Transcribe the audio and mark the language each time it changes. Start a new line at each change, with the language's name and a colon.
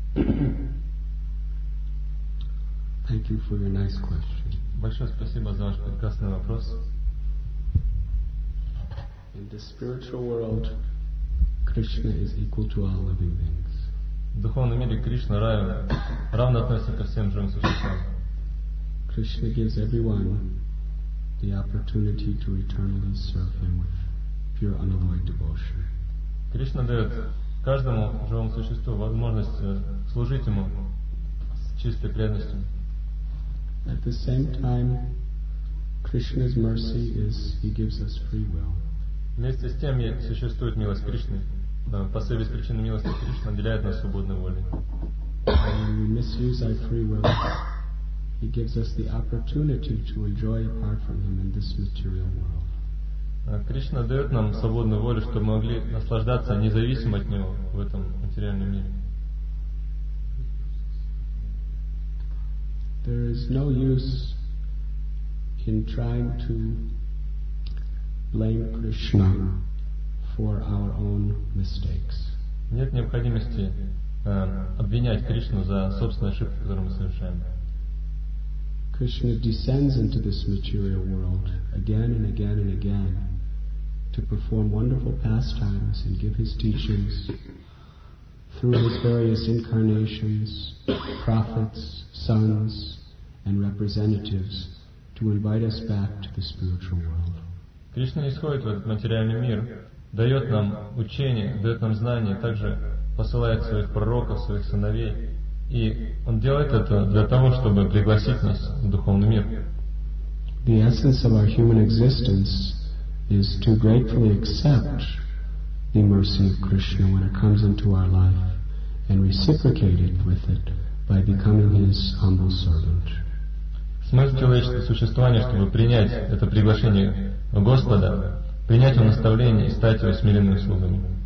English: Thank you for your nice question.
Russian: Большое спасибо за ваш прекрасный вопрос.
English: In the spiritual world, Krishna is equal to all living beings.
Russian: В духовном мире Кришна равно относится ко всем живым существам.
English: Krishna gives everyone the opportunity to eternally serve Him with pure, unalloyed devotion.
Russian: Кришна дает каждому живому существу возможность служить ему с чистой преданностью.
English: At the same time, Krishna's mercy is He gives us free will.
Russian: Вместе с тем существует милость Кришны. По своей беспричинной милости Кришна наделяет нас свободной волей.
English: When we misuse our free will, He gives us the opportunity to enjoy apart from Him in this material world.
Russian: Кришна дает нам свободную волю, чтобы мы могли наслаждаться независимо от Него в этом материальном мире.
English: There is no use in trying to blame Krishna for our own mistakes.
Russian: Нет необходимости обвинять Кришну за собственные ошибки, которые мы совершаем.
English: Krishna descends into this material world again and again and again to perform wonderful pastimes and give his teachings through his various incarnations, prophets, sons, and representatives to invite us back to the spiritual world.
Russian: Krishna исходит в этот материальный мир, дает нам учение, дает нам знания, также посылает своих пророков, своих сыновей. И он делает это для того, чтобы пригласить нас в духовный мир.
English: The essence of our human existence is to gratefully accept the mercy of Krishna when it comes into our life and reciprocate it with it by becoming his humble servant.
Russian: Смысл человеческого существования, чтобы принять это приглашение Господа, принять его наставление и стать его смиренным слугами.